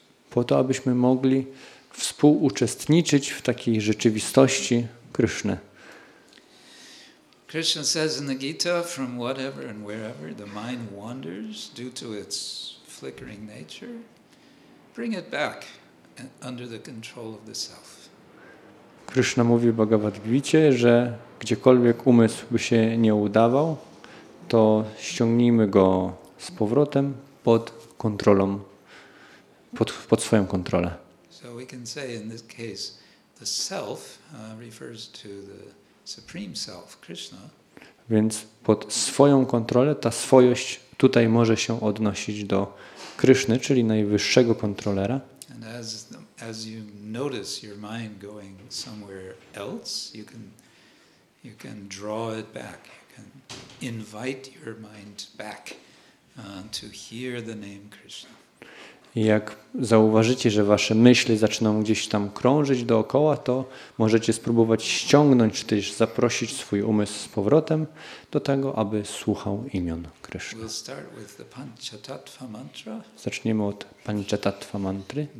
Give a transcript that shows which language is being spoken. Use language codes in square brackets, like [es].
[pl] Po to, abyśmy mogli współuczestniczyć w takiej rzeczywistości Krishny. [en] Krishna says in the Gita, from whatever and wherever the mind wanders due to its flickering nature, bring it back under the control of the self. [pl] Krishna mówi w Bhagavad Gita, że gdziekolwiek umysł by się nie udawał, to ściągnijmy go z powrotem pod kontrolą, pod swoją kontrolę. [en] So we can say in this case the self refers to the supreme self, Krishna. [pl] Więc pod swoją kontrolę ta swojość tutaj może się odnosić do Kryszny, czyli najwyższego kontrolera. [en] And as you notice your mind going somewhere else, you can draw it back. You can invite your mind back. To hear the name Krishna. [pl] Jak zauważycie, że wasze myśli zaczną gdzieś tam krążyć dookoła, to możecie spróbować ściągnąć, czy też zaprosić swój umysł z powrotem do tego, aby słuchał imion Krishna. [en] We'll start with the Panchatattva mantra. [pl] Zaczniemy od Panchatattva mantry.